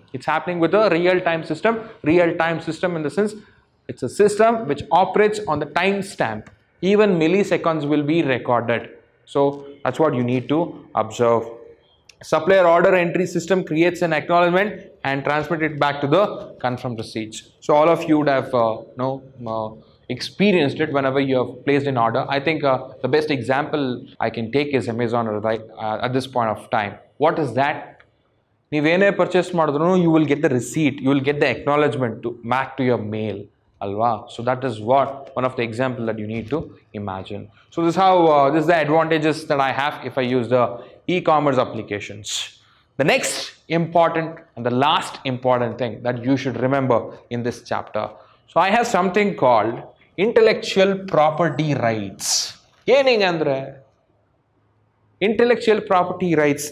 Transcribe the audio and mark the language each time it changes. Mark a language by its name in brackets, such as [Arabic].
[English] It's happening with a real time system. Real time system in the sense it's a system which operates on the time stamp. Even milliseconds will be recorded. So that's what you need to observe. Supplier order entry system creates an acknowledgement and transmit it back to the confirm receipts. So all of you have no experienced it whenever you have placed an order. I think the best example I can take is Amazon right at this point of time. What is that? [Kannada] Neevene purchase madidrunu [English] you will get the receipt, you will get the acknowledgement to back to your mail alwa. So that is what one of the example that you need to imagine. So this is how this is the advantages that I have if I use the e-commerce applications. The next important and the last important thing that you should remember in this chapter. So I have something called intellectual property rights. [Kannada] ಏನಿಂಗ್ ಅಂದರೆ intellectual property rights.